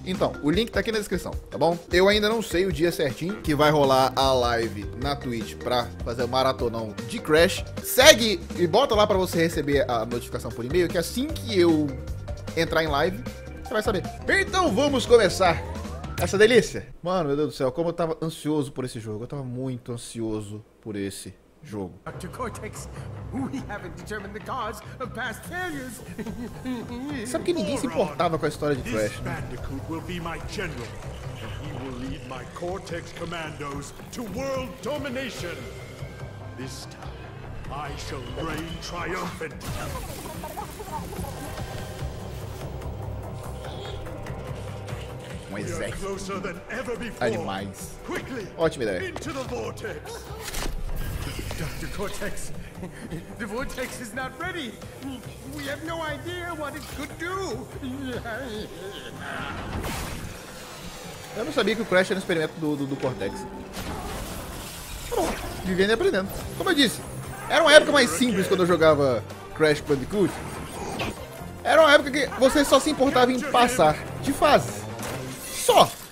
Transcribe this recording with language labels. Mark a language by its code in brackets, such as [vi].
[pt] Então, o link tá aqui na descrição, tá bom? Eu ainda não sei o dia certinho que vai rolar a live na Twitch pra fazer o maratonão de Crash. Segue e bota lá pra você receber a notificação por e-mail, que assim que eu entrar em live, você vai saber. Então vamos começar essa delícia. Mano, meu Deus do céu, como eu tava ansioso por esse jogo. Eu tava muito ansioso por esse jogo. [en] Dr. Cortex, we haven't determined the cause of past failures. [pt] Sabe que ninguém se importava com a história de Crash, né? [en] Bandicoot will be my general, and he will lead my Cortex commandos to world domination. This time, I shall reign triumphant. [pt] Um exército. Animais. [en] Quickly, [pt] ótima ideia. [en] Into the vortex. Dr. Cortex, the vortex is not ready. We have no idea what it could do. [pt] Eu não sabia que o Crash era um experimento do Cortex. Tá bom, vivendo e aprendendo. Como eu disse, era uma época mais simples quando eu jogava Crash Bandicoot. Era uma época que você só se importava em passar de fase. Só!